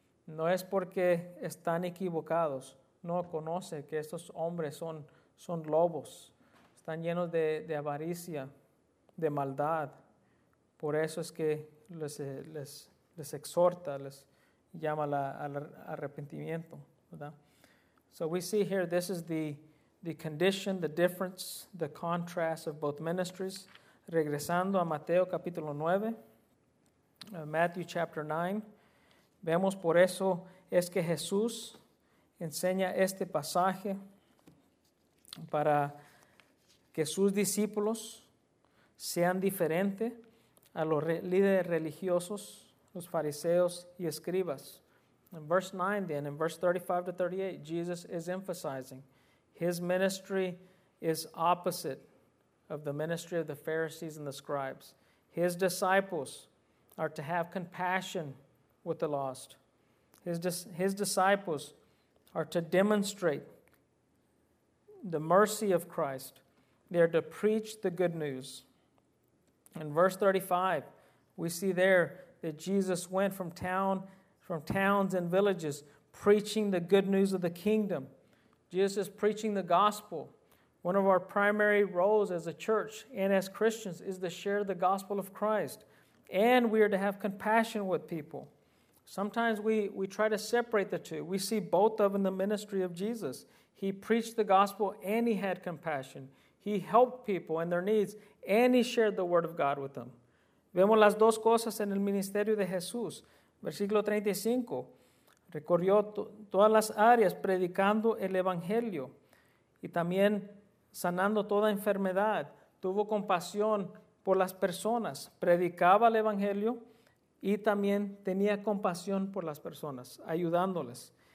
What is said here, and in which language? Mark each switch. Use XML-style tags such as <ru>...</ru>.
<es>No es porque están equivocados. No conoce que estos hombres son lobos. Están llenos de avaricia, de maldad. Por eso es que les exhorta, les llama al arrepentimiento, ¿verdad?</es> <en>So we see here, this is the condition, the difference, the contrast of both ministries.</en> <es>Regresando a Mateo capítulo 9,</es> <en>Matthew chapter 9,</en> <es>vemos por eso es que Jesús enseña este pasaje para que sus discípulos sean diferentes a los líderes religiosos, los fariseos y escribas.</es> <en>In verse 9 then, in verse 35 to 38, Jesus is emphasizing his ministry is opposite of the ministry of the Pharisees and the scribes. His disciples are to have compassion with the lost. His disciples are to demonstrate the mercy of Christ. They are to preach the good news. In verse 35, we see there that Jesus went from towns and villages, preaching the good news of the kingdom. Jesus is preaching the gospel. One of our primary roles as a church and as Christians is to share the gospel of Christ. And we are to have compassion with people. Sometimes we try to separate the two. We see both of them in the ministry of Jesus. He preached the gospel and he had compassion. He helped people in their needs and he shared the word of God with them.</en> <es>Vemos las dos cosas en el ministerio de Jesús. Versículo 35. Recorrió todas las áreas predicando el evangelio y también sanando toda enfermedad. Tuvo compasión por las personas. Predicaba el evangelio y también tenía compasión por las personas, ayudándoles.</es>